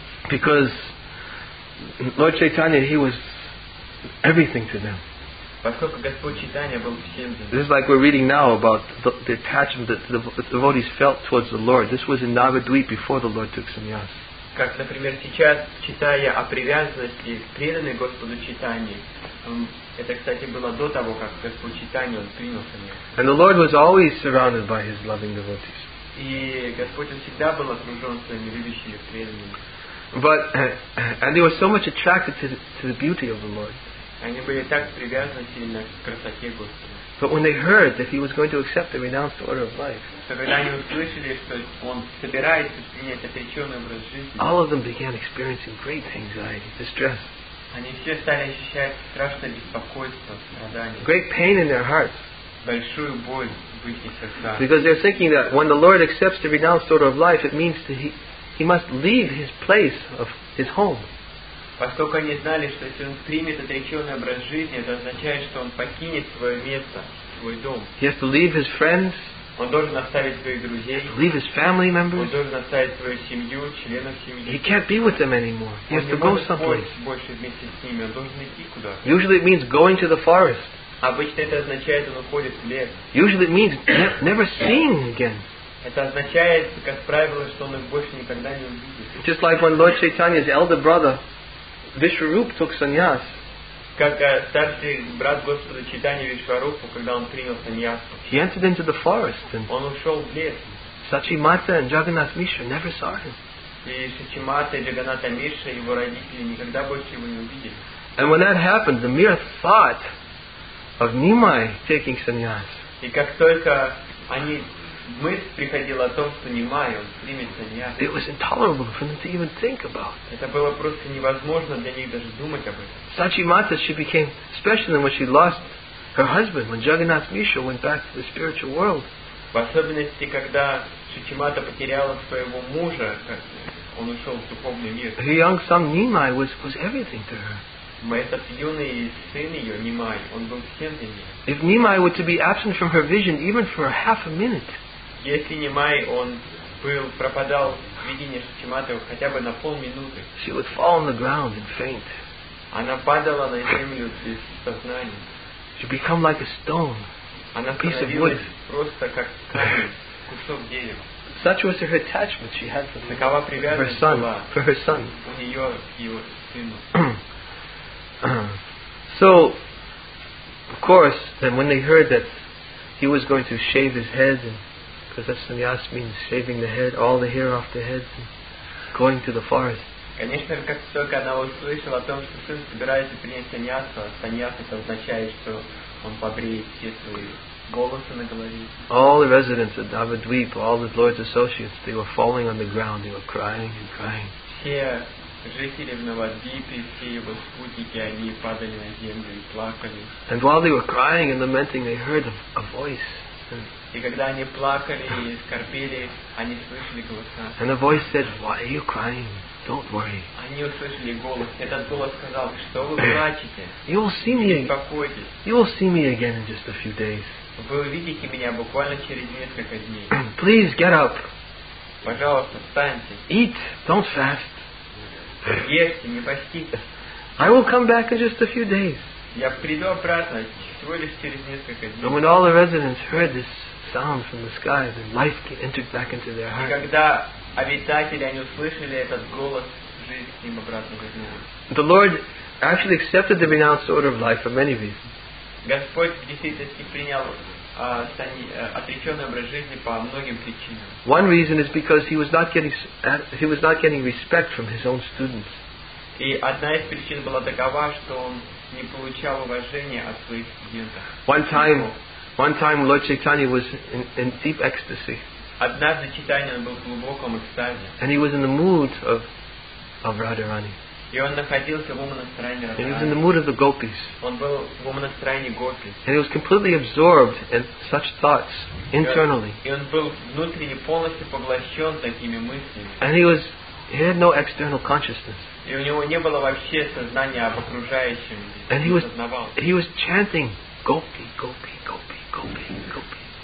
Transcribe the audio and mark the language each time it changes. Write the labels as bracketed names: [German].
[English] Because Lord Chaitanya, he was everything to them. This is like we're reading now about the attachment that the devotees felt towards the Lord. This was in Navadvipa before the Lord took sannyas. [Russian] Как, например, сейчас читая о привязанности преданной Господу Чайтанье, это, кстати, было до того, как Господь Чайтанья принял сannyas. [English] And the Lord was always surrounded by His loving devotees. [Russian] И Господь всегда был окружен своими любящими преданными. [English] But and they were so much attracted to the beauty of the Lord. [Russian] Они были так привязаны сильно к красоте Господа. [English] But when they heard that he was going to accept the renounced order of life, all of them began experiencing great anxiety, distress. [Russian] Они все стали ощущать страшное беспокойство, страдание. [English] Great pain in their hearts. [Russian] Большую боль в [English] Because they're thinking that when the Lord accepts the renounced order of life, it means that he must leave his place of his home. [Russian] Поскольку они знали, что если он примет отреченный образ жизни, это означает, что он покинет свое место, свой дом. [English] He has to leave his friends. [Russian] Он должен оставить своих друзей. [English] He has to leave his family members. [Russian] Он должен оставить свою семью, членов семьи. [English] He can't be with them anymore. He has to go someplace. [Russian] Больше вместе с ними. Он должен идти куда-то. [English] Usually it means going to the forest. [Russian] Обычно это означает, он уходит в лес. [English] Usually it means never seeing again. [Russian] Это означает, как правило, что он их больше никогда не увидит. [English] Just like when Lord Chaitanya's elder brother Vishwaroop took sannyas. [Russian] Как старший брат Господа Чайтанья Вишварупу, когда он принял саньясу. [English] He entered into the forest and [Russian] он ушел в лес. [English] Сачимата and Джаганнат Миша never saw him. [Russian] И Сачимата и Джаганнат Миша, его родители никогда больше его не увидели. [English] And when that happened, the mere thought of Nimai taking sannyas. [Russian] И как только они мысль приходила о том, что Нимай, он примет саньяс. [English] It was intolerable for them to even think about. [Russian] Это было просто невозможно для них даже думать об этом. [English] Сачимата, she became special when she lost her husband, when Jagannath Misha went back to the spiritual world. [Russian] В особенности, когда Сачимата потеряла своего мужа, он ушел в духовный мир. [English] Her young son Nimai was everything to her. [Russian] Этот юный сын ее, Нимай, он был всем для нее. [English] If Nimai were to be absent from her vision even for a half a minute, [Russian] если Нимай, он был, пропадал в видении Шичиматы хотя бы на полминуты, [English] she would fall on the ground and faint. [Russian] Она падала на землю без сознания. [English] She'd become like a stone. [Russian] Она становилась просто как камень, кусок дерева. [English] Such was her attachment she had for [Russian] такова привязанность [English] her son, [Russian] у нее к ее сыну. [English] So, of course, then when they heard that he was going to shave his head, because that sannyas means shaving the head, all the hair off the head, and going to the forest. [Russian] Конечно, как только она услышала о том, что сын собирается принять саньясу, а саньяс это означает, что он побреет все свои волосы на голове. [English] All the residents of Navadvipa, all the Lord's associates, they were falling on the ground, they were crying and crying. [Russian] Жители в Навадвипе, все его спутники, они падали на землю и плакали. [English] And while they were crying and lamenting, they heard a voice. [Russian] И когда они плакали и скорбели, они слышали голоса. [English] And the voice said, "Why are you crying? Don't worry." [Russian] Они услышали голос. Этот голос сказал, что вы плачете. [English] You will see me. [Russian] Успокойтесь. [English] You will see me again in just a few days. [Russian] Вы увидите меня буквально через несколько дней. [English] Please get up. [Russian] Пожалуйста, встаньте. [English] Eat. Don't fast. [Russian] Ешьте, не постите. [English] I will come back in just a few days. [Russian] Я приду обратно всего лишь через несколько дней. [English] And when all the residents heard this sound from the sky, then life entered back into their hearts. [Russian] И когда обитатели они услышали этот голос, жизнь им обратно вернулась. [English] The Lord actually accepted the renounced order of life for many reasons. [Russian] Господь действительно принял отреченный образ жизни по многим причинам. [English] One reason is because he was not getting respect from his own students. [Russian] И одна из причин была такова, что он не получал уважения от своих студентов. [English] One time Lord Chaitanya was in deep ecstasy. [Russian] Однажды Чайтанья был в глубоком экстазе. [English] And he was in the mood of Radharani. [Russian] И он находился в умонастроении Радхарани. [English] He was in the mood of the gopis. [Russian] Он был в умонастроении гопи. [English] And he was completely absorbed in such thoughts internally. [Russian] И он был внутренне полностью поглощен такими мыслями. [English] And he had no external consciousness. [Russian] И у него не было вообще сознания об окружающем. [English] And he was chanting gopi, gopi, gopi, gopi, gopi.